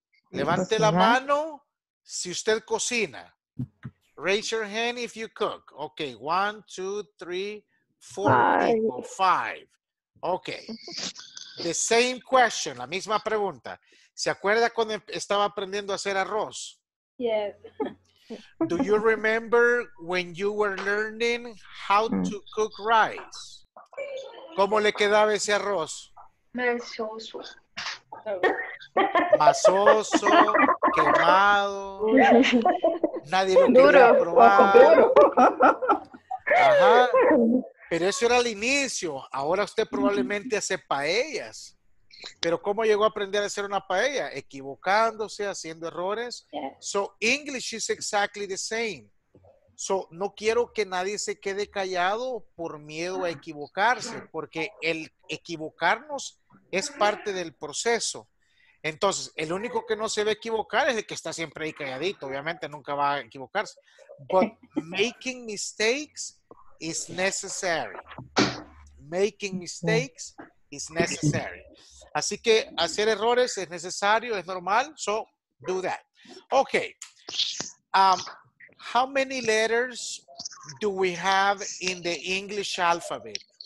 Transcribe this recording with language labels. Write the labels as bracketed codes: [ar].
[es] Levante la mano si usted cocina. [en] Raise your hand if you cook. Okay, 1, 2, 3, 4, five. Okay. The same question, [es] la misma pregunta. ¿Se acuerda cuando estaba aprendiendo a hacer arroz? [en] Yes. Do you remember when you were learning how to cook rice? [es] ¿Cómo le quedaba ese arroz? Masoso. Masoso, quemado. Nadie lo quería probar. Ajá. Pero eso era al inicio. Ahora usted probablemente hace paellas. Pero ¿cómo llegó a aprender a hacer una paella? Equivocándose, haciendo errores. [en] So, English is exactly the same. So, [es] no quiero que nadie se quede callado por miedo a equivocarse, porque el equivocarnos es parte del proceso. Entonces, el único que no se ve equivocar es el que está siempre ahí calladito. Obviamente, nunca va a equivocarse. [en] But making mistakes is necessary. Making mistakes is necessary. [es] Así que hacer errores es necesario, es normal. [en] So, do that. Okay. How many letters do we have in the English alphabet?